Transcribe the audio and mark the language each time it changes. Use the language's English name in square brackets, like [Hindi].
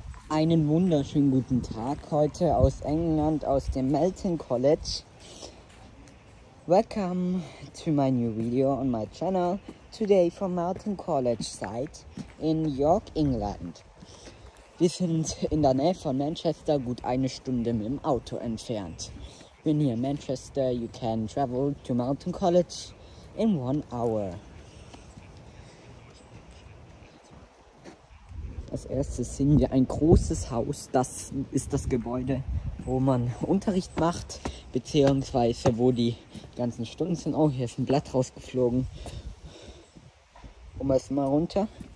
[German] Einen wunderschönen guten Tag heute aus England, aus dem Melton College. [English] Welcome to my new video on my channel today from Melton College site in York, England. [German] Wir sind in der Nähe von Manchester, gut eine Stunde mit dem Auto entfernt. Bin hier in Manchester, [English] you can travel to Melton College in 1 hour. [German] Als erstes sehen wir ein großes Haus, das ist das Gebäude, wo man Unterricht macht, beziehungsweise wo die ganzen Stunden sind. Oh, hier ist ein Blatt rausgeflogen. Holen wir es mal runter.